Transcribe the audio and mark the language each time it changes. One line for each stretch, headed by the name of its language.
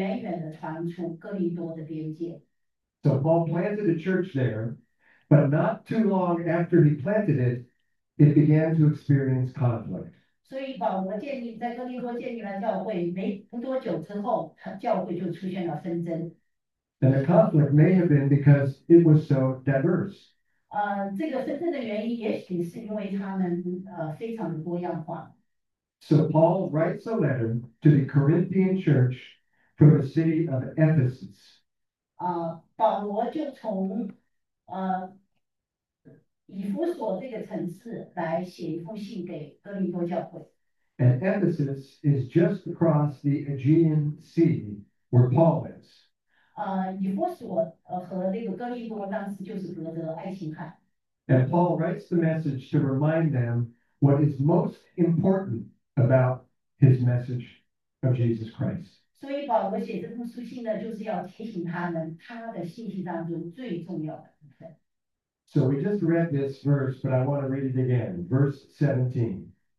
Chinese: 保罗知道，如果他能在哥林多成功的话，那么耶稣基督的福音就会远远的传出哥林多的边界。So
English: Paul planted a church there, but not too long after he planted it, it began to experience conflict.
Chinese: 所以保罗建立在哥林多建立了教会，没不多久之后，教会就出现了纷争。
English: And the conflict may have been because it was so diverse.
Chinese: 这个纷争的原因也许是因为他们非常的多样化。
English: So Paul writes a letter to the Corinthian church from the city of Ephesus.
Chinese: 保罗就从以弗所这个城市来写一封信给哥林多教会。
English: And Ephesus is just across the Aegean Sea, where Paul is.
Chinese: 以弗所和那个哥林多当时就是隔着爱琴海。
English: And Paul writes the message to remind them what is most important about his message of Jesus Christ.
Chinese: 所以保罗写这封书信呢，就是要提醒他们他的信息当中最重要的部分。
English: So we just read this verse, but I want to read it again, verse 17.